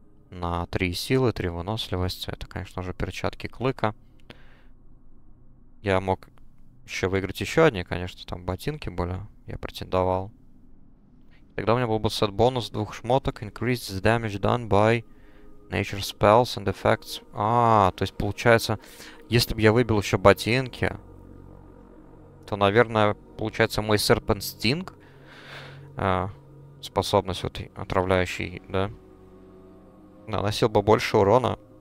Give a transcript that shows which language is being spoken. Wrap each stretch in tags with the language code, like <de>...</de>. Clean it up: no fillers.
<ru>На 3 силы, 3 выносливости. Это, конечно же, перчатки клыка. Я мог еще выиграть еще одни, конечно, там ботинки были. Я претендовал. Тогда у меня был бы сет бонус двух шмоток.</ru> <en>Increased damage done by nature spells and effects.</en> <ru>А, то есть получается, если бы я выбил еще ботинки, то, наверное, получается мой Serpent Sting. Способность вот отравляющий, да? Наносил бы больше урона.</ru>